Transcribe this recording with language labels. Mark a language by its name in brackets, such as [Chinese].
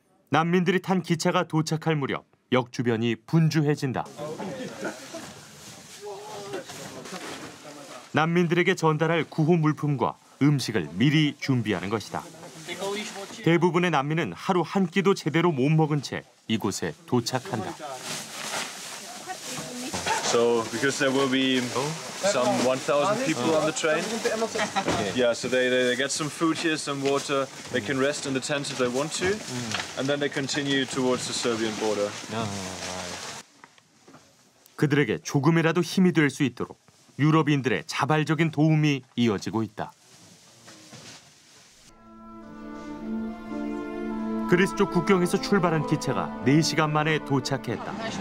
[Korean] 난민들이 탄 기차가 도착할 무렵 역 주변이 분주해진다. 난민들에게 전달할 구호 물품과 음식을 미리 준비하는 것이다. 대부분의 난민은 하루 한 끼도 제대로 못 먹은 채 이곳에 도착한다. [English] So because there will be some 1000 people on the train. Yeah, so they get some food here, some water. They can rest in the tents if they want to. And then they continue towards the Serbian border. [Korean] 그들에게 조금이라도 힘이 될 수 있도록 유럽인들의 자발적인 도움이 이어지고 있다. 그리스 쪽 국경에서 출발한 기차가 4시간 만에 도착했다.